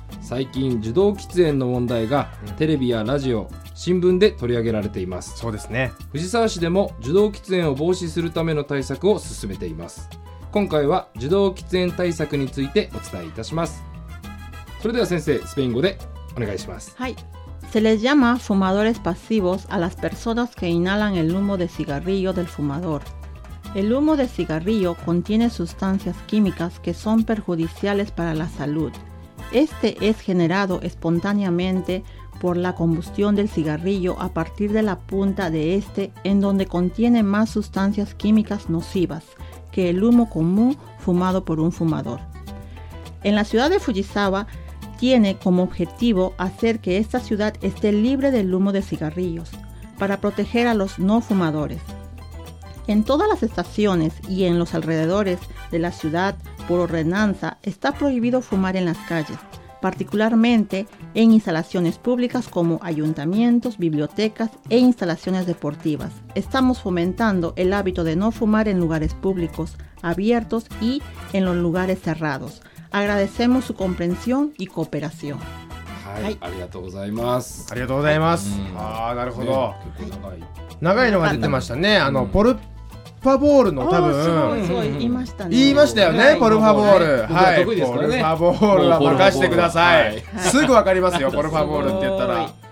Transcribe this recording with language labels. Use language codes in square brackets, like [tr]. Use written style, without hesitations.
[ja] 最近受動喫煙の問題がテレビやラジオ、新聞で取り上げられています。そうですね。藤沢市でも受動喫煙を防止するための対策を進めています。今回は受動喫煙対策についてお伝えいたします。それでは先生、スペイン語でお願いします。はい。 [es] Se les llama fumadores pasivos a las personas que inhalan el humo de cigarrillo del fumador. El humo de cigarrillo contiene sustancias químicas que son perjudiciales para la salud. Este es generado espontáneamente por la combustión del cigarrillo a partir de la punta de este, en donde contiene más sustancias químicas nocivas que el humo común fumado por un fumador. En la ciudad de Fujisawa,tiene como objetivo hacer que esta ciudad esté libre del humo de cigarrillos para proteger a los no fumadores. En todas las estaciones y en los alrededores de la ciudad, por ordenanza, está prohibido fumar en las calles, particularmente en instalaciones públicas como ayuntamientos, bibliotecas e instalaciones deportivas. Estamos fomentando el hábito de no fumar en lugares públicos, abiertos y en los lugares cerrados. Agradecemos su comprensión y cooperación. [ja] はい、ありがとうございます。ありがとうございます。はい、うん、ああ、なるほど、ね。結構長い。長いのが出てましたね。あの、うん、ポルパボールの多分。すごい、すごい、言いましたね。言いましたよね、ポルパボール。はい、僕は得意ですからね。ポルパボールは任してください。はい、すぐわかりますよ、ポルパボールって言ったら。